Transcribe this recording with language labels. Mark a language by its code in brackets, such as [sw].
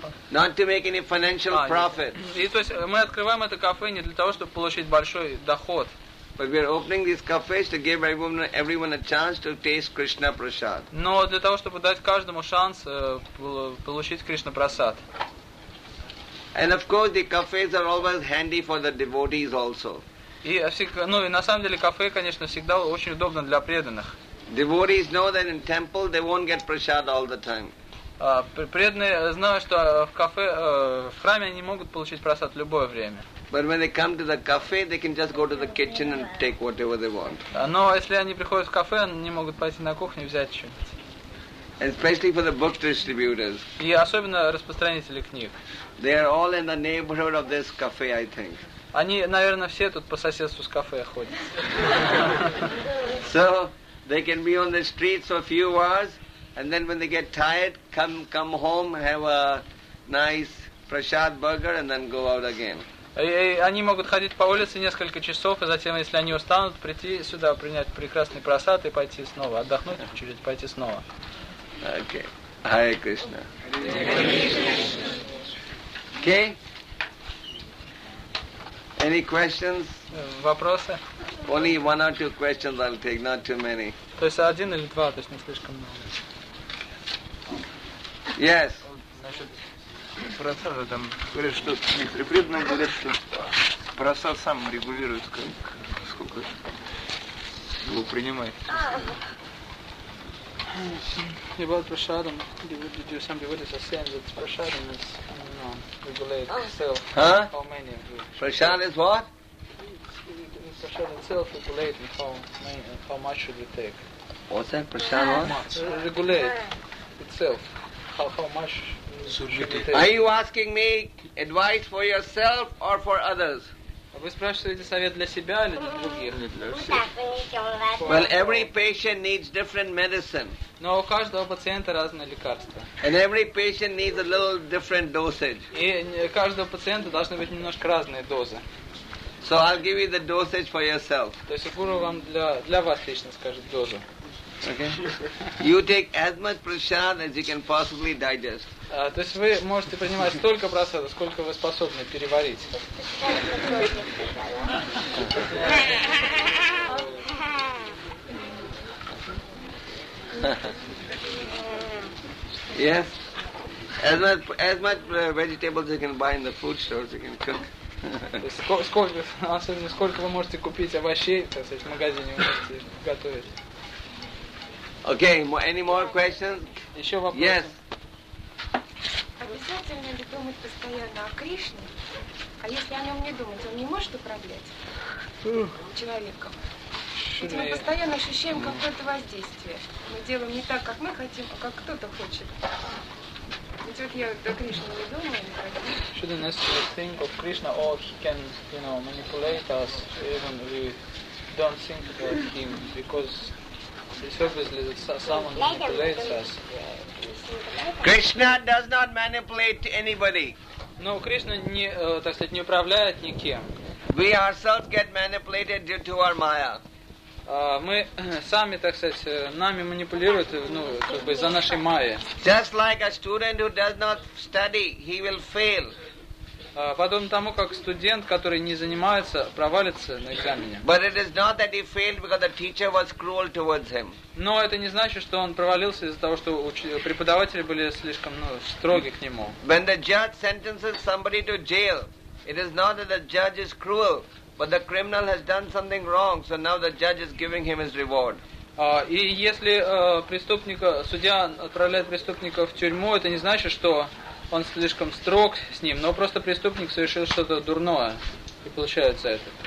[en] Not to make any financial profit. [ru] И то есть мы открываем это кафе не для того, чтобы получить большой доход. [en] But we are opening these cafes to give everyone a chance to taste Krishna prasad. [ru] Но для того, чтобы дать каждому шанс получить Кришна прасад. [en] And of course, the cafes are always handy for the devotees also. [ru] И ну и на самом деле кафе, конечно, всегда очень удобно для преданных. [en] Devotees know that in temple they won't get prasad all the time. [ru] Преданные знают, что в кафе, в храме они могут получить прасад в любое время. [en] But when they come to the cafe, they can just go to the kitchen and take whatever they want. [ru] Но если они приходят в кафе, они могут пойти на кухню и взять что-нибудь. [en] Especially for the book distributors. [ru] И особенно распространители книг. [en] They are all in the neighborhood of this cafe, I think. [ru] Они, наверное, все тут по соседству с кафе ходят. [en] So they can be on the streets for a few hours, and then when they get tired, come home, have a nice prasad burger, and then go out again. [ru] И они могут ходить по улице несколько часов, и затем, если они устанут, прийти сюда, принять прекрасный прасад и пойти снова отдохнуть, через пойти снова. [en] Okay. Hare Krishna. Okay. Any questions? [ru] Вопросы? [en] Only one or two questions I'll take, not too many. [ru] То есть один или два, то есть не слишком много. [en] Yes. [ru] Прасад там говорят, что некоторые преданные говорят, что прасад сам регулирует, как сколько его принимает. [en] Yes. About prasadam, do some devotees are saying that prasadam is, you know, regulated itself. Huh? How many? Prasad is what? Prasad itself regulating how much should we take. What's that? Prasad what? Regulate itself. How much should we take? Are you asking me advice for yourself or for others? [ru] Вы спрашиваете совет для себя или для других? [en] Well, every patient needs different medicine. [ru] Но у каждого пациента разные лекарства. [en] And every patient needs a little different dosage. [ru] И каждого пациента должны быть немножко разные дозы. [en] So I'll give you the dosage for yourself. [ru] То есть гуру вам для вас лично скажет дозу. [en] Okay. You take as much prasad as you can possibly digest. [ru] То есть вы можете принимать столько прасада, сколько вы способны переварить. [en] Yes. As much vegetables you can buy in the food stores, you can cook. [ru] Сколько вы можете купить овощей, то есть в магазине вы можете готовить. [en] Okay, any more questions? [ru] Еще вопросы? [en] Yes. [ru] Обязательно ли думать постоянно о Кришне? А если о нем не думать, он не может управлять человеком? Ведь мы постоянно ощущаем какое-то воздействие. Мы делаем не так, как мы хотим, а как кто-то хочет. Ведь вот я о Кришне не думаю никогда. [en] Should we necessarily think of Krishna or he can, you know, manipulate us even if we don't think about him? Because it's obviously that someone manipulates us. Krishna does not manipulate anybody. No, [ru] Krishna не, так сказать, не управляет никем. [en] We ourselves get manipulated due to our Maya. [ru] Мы сами, так сказать, нами манипулируют, ну, как бы из-за нашей Майи. [en] Just like a student who does not study, he will fail. [ru] Подобно тому, как студент, который не занимается, провалится на экзамене. [en] But it is not that he failed because the teacher was cruel towards him. [ru] Но это не значит, что он провалился из-за того, что преподаватели были слишком, ну, строги к нему. [en] When the judge sentences somebody to jail, it is not that the judge is cruel, but the criminal has done something wrong, so now the judge is giving him his reward. [ru] И если преступника, судья отправляет преступника в тюрьму, это не значит, что он слишком строг с ним, но просто преступник совершил что-то дурное, и получается это.